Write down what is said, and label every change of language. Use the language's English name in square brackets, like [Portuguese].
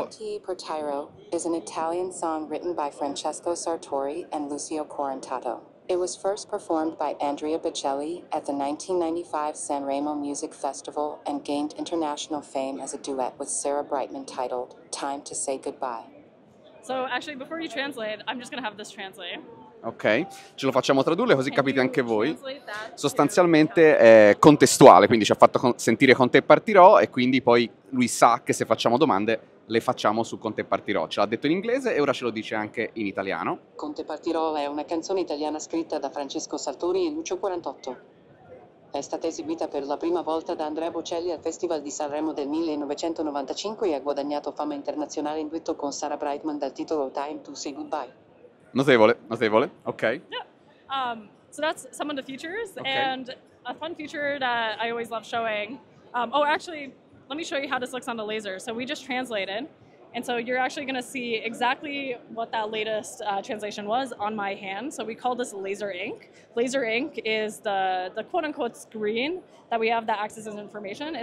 [English] Conti per Tiro is an Italian song written by Francesco Sartori and Lucio Corentato. It was first performed by Andrea Bocelli at the 1995 Sanremo Music Festival and gained international fame as a duet with Sarah Brightman titled Time to Say Goodbye. So actually, before you translate, I'm just going to have this translate. [Italian] Ok, ce lo facciamo tradurre così capite anche voi. Sostanzialmente è contestuale, quindi ci ha fatto sentire con te partirò e quindi poi lui sa che se facciamo domande le facciamo su con te partirò. Ce l'ha detto in inglese e ora ce lo dice anche in italiano. Con te partirò è una canzone italiana scritta da Francesco Sartori e Lucio Corentato. È stata eseguita per la prima volta da Andrea Bocelli al Festival di Sanremo del 1995 e ha guadagnato fama internazionale in duetto con Sarah Brightman dal titolo Time to Say Goodbye. Notevole, okay. [English] Yeah. So that's some of the features, okay. And a fun feature that I always love showing. Actually, let me show you how this looks on the laser. So we just translated, and so you're actually going to see exactly what that latest translation was on my hand. So we call this laser ink. Laser ink is the quote-unquote screen that we have that accesses information.